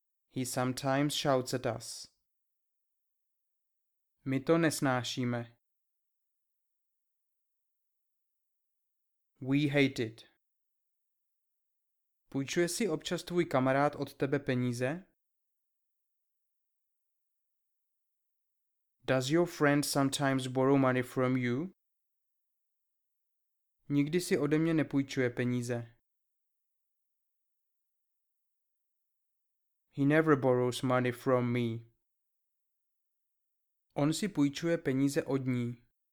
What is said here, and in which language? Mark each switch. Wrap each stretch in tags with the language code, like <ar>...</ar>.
<en>He sometimes shouts at us.</en> <cs>My to nesnášíme.</cs> <en>We hate it.</en> <cs>Půjčuje si občas tvůj kamarád od tebe peníze?</cs> <en>Does your friend sometimes borrow money from you?</en> <cs>Nikdy si ode mě nepůjčuje peníze.</cs> <en>He never borrows money from me.</en> <cs>On si půjčuje peníze od ní.</cs>